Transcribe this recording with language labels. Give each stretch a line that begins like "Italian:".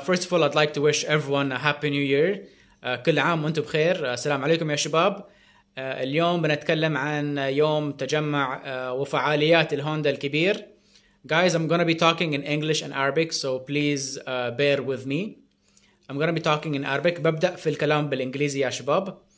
English: First of all, I'd like to wish everyone a happy new year.
Arabic: كل عام وانتم بخير. Assalamu alaikum, يا شباب. اليوم بنتكلم عن يوم تجمع وفعاليات الهوندا الكبير.
English: Guys, I'm going to be talking in English and Arabic, so please bear with me. I'm going to be talking in Arabic.
Arabic: ببدأ في الكلام بالإنجليزي يا شباب.